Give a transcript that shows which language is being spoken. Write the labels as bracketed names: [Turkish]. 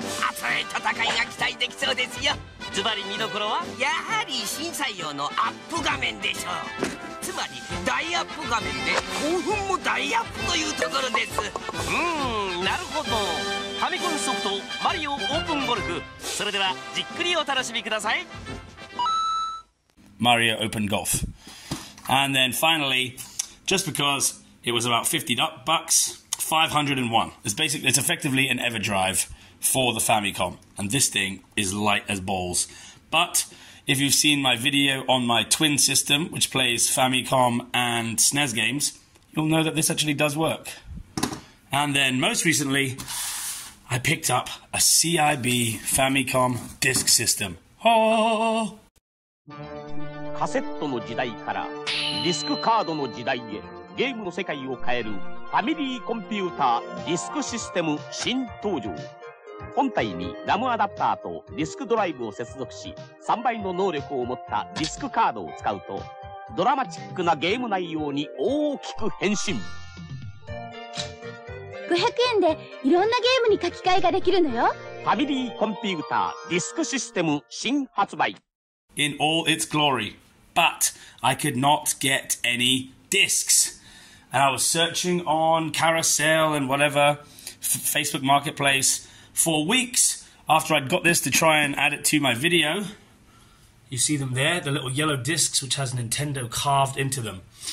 [Japanese] 熱い戦いが期待できそうですよ。ズバリ見どころはやはり審査用のアップ画面でしょう。つまり大アップ画面で興奮も大アップというところです。なるほど。ファミコンソフトマリオオープンゴルフ。それではじっくりお楽しみください。 [English] Mario Open Golf. And then finally, just because it was about $50, 501. It's effectively an EverDrive. For the Famicom, and this thing is light as balls. But if you've seen my video on my twin system, which plays Famicom and SNES games, you'll know that this actually does work. And then most recently, I picked up a CIB Famicom disc system. Oh! [Japanese] カセットの時代からディスクカードの時代へゲームの世界を変えるファミリーコンピュータディスクシステム新登場。本体にラムアダプターとディスクドライブを接続し3倍の能力を持ったディスクカードを使うとドラマチックなゲーム内容に大きく変身 500円でいろんなゲームに書き換えができるのよファミリーコンピューターディスクシステム新発売 [English] In all its glory But I could not get any discs And I was searching on Carousel and whatever Facebook MarketplaceFor weeks after I'd got this to try and add it to my video, you see them there, the little yellow discs which has Nintendo carved into them.